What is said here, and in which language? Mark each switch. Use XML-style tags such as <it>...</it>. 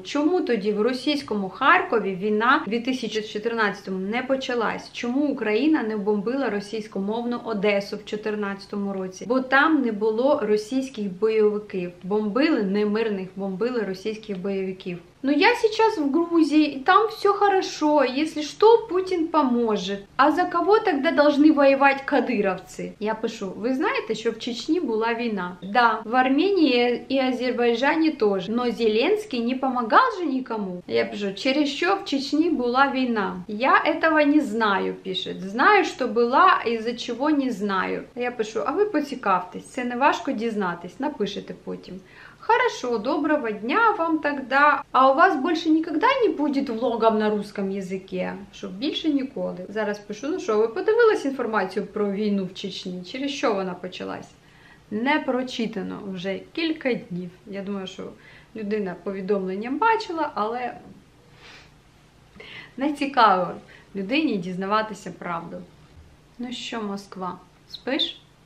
<uk>Чому тоді в російському Харкові війна в 2014-му не почалась? Чому Україна не бомбила російськомовну Одесу в 2014 році? Бо там не було російських бойовиків. Бомбили немирних, бомбили російських бойовиків.</uk> <ru>Ну я сейчас в Грузии, и там все хорошо, если что, Путин поможет. А за кого тогда должны воевать кадыровцы? Я пишу, вы знаете, что в Чечне была война? Да, в Армении и Азербайджане тоже. Но Зеленский не помогал же никому. Я пишу, через что в Чечне была война? Я этого не знаю, пишет. Знаю, что была, из-за чего не знаю.</ru> <uk>Я пишу, а вы поцікавтесь, це не важко дізнатись, напишите потім.</uk> <ru>Хорошо, доброго дня вам тогда. А у вас больше никогда не будет влогом на русском языке? Чтоб больше никогда.</ru> <uk>Зараз пишу,</uk> <ru>ну что, вы подивились информацию про войну в Чечне? Через что она началась?</ru> <uk>Не прочитано уже кілька днів. Я думаю, что людина повідомлення бачила, але не цікаво людині дізнаватися правду. Ну що, Москва, спиш?</uk>